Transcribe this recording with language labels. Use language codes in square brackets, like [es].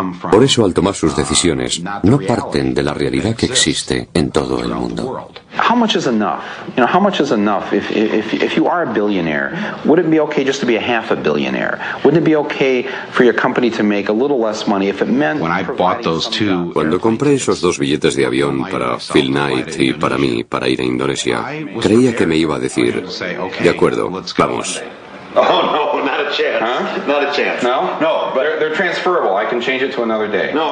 [es] Por eso, al tomar sus decisiones, no parten de la realidad que existe en todo el mundo. [en] How much is enough? You know, how much is enough? If you are a billionaire, would it be okay just to be a half a billionaire? Wouldn't it be okay for your company to make a little less money if it meant? When I bought those two, [es] cuando compré esos dos billetes de avión para Phil Knight y para mí para ir a Indonesia, creía que me iba a decir, de acuerdo, vamos. [en] Oh no, not a chance. Huh? Not a chance. No, no, but they're transferable. I can change it to another day. No.